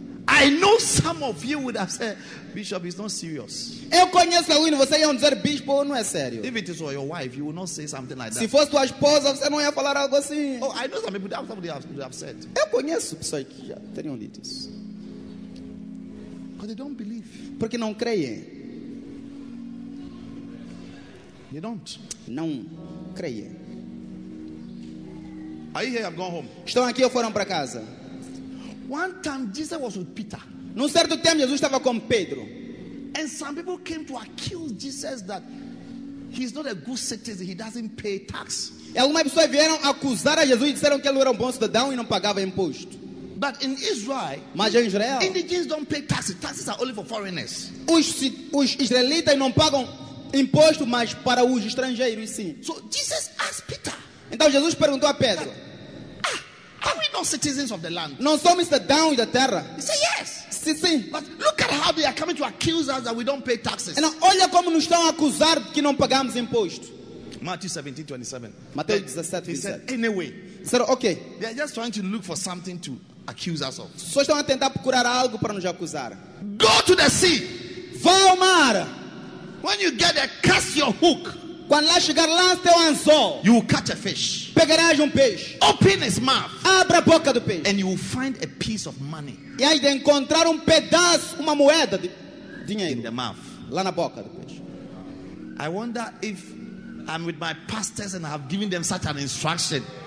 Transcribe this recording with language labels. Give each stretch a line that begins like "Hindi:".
English: I know some of you would have said, bishop, it's not serious.
Portuguese: Eu conheço alguém, você ia dizer, bispo, não é sério.
English: If it is for your wife, you will not say something like that.
Portuguese: Se fosse tua esposa, você não ia falar algo assim.
English: Oh, I know some people, somebody would have said.
Portuguese: Eu conheço pessoas que já teriam dito isso.
English: Because they don't believe.
Portuguese: Porque não creem.
English: You don't.
Portuguese: Não creem.
English: Are you here? I've gone home.
Portuguese: Estão aqui ou foram para casa?
English: One time Jesus was with Peter.
Portuguese: Num certo tempo Jesus estava com Pedro.
English: And some people came to accuse Jesus that he's not a good citizen. He doesn't pay tax.
Portuguese: E algumas pessoas vieram acusar a Jesus e disseram que ele era um bom cidadão e não pagava imposto.
English: But in Israel,
Portuguese: mas em Israel,
English: indigenous don't pay taxes. Taxes are only for foreigners.
Portuguese: Os israelitas não pagam imposto, mas para os estrangeiros sim.
English: So Jesus asked Peter.
Portuguese: Então Jesus perguntou a Pedro.
English: Are we not citizens of the land?
Portuguese: Não somos cidadãos da terra.
English: He said yes.
Portuguese: Sim.
English: But look at how they are coming to accuse us that we don't pay taxes.
Portuguese: Então olha como nos estão a acusar que não pagamos imposto.
English: Matthew 17:27.
Portuguese: Mateus 17:27.
English: He said anyway. Said okay. They are just trying to look for something to accuse us of.
Portuguese: Só estão a tentar procurar algo para nos acusar.
English: Go to the sea.
Portuguese: Vá ao mar.
English: When you get there, cast your hook.
Portuguese: Quando lá chegar, lance teu anzol.
English: You will catch a fish.
Portuguese: Pegarás peixe.
English: Open his mouth.
Portuguese: Abra a boca do peixe.
English: And you will find a piece of money.
Portuguese: E aí de encontrar pedaço, uma moeda de dinheiro.
English: In the mouth.
Portuguese: Lá na boca do peixe.
English: I wonder if I'm with my pastors and I have given them such an instruction.